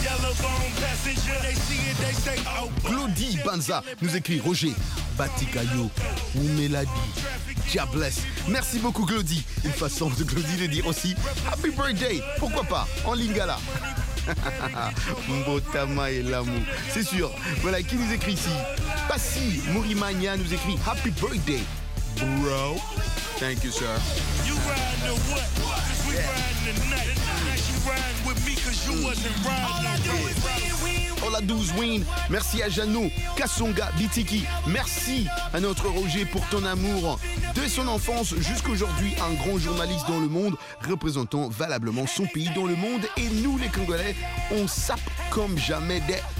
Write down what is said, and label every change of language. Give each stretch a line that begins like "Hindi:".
English: Yellow bone passenger, they see it, they say oh.
French: Claudie Banza nous écrit Roger Batigayo ou Melody. Diables. Merci beaucoup Claudie. Une façon de Claudie de dire aussi Happy Birthday. Pourquoi pas en Lingala. Mbotama et l'amour. C'est sûr. Voilà qui nous écrit ici. Passi Mourimania nous écrit Happy Birthday.
English: Bro, thank you, sir. You riding or what? Cause we yeah. Riding tonight. Now you riding with me cause you wasn't riding. All I do is
French: Hola 12 Win, merci à Jeannot, Kasonga, Bitiki, merci à notre Roger pour ton amour. Dès son enfance jusqu'aujourd'hui, un grand journaliste dans le monde, représentant valablement son pays dans le monde. Et nous, les Congolais, on sape comme jamais des.